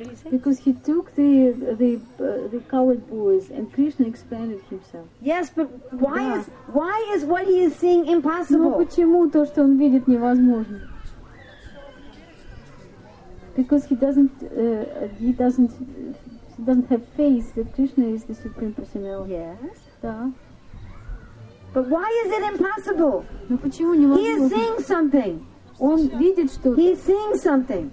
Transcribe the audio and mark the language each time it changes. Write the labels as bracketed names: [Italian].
[English] Because he took the colored boys and Krishna expanded himself. Yes, but why is what he is seeing impossible? [Russian] Но почему то, что он видит, невозможно? [English] Because he doesn't have faith that Krishna is the supreme personality. Yes. [Russian] Да. [English] But why is it impossible? [Russian] Но почему невозможно? [English] He is seeing something. [Russian] Он видит что-то. [English] He's seeing something.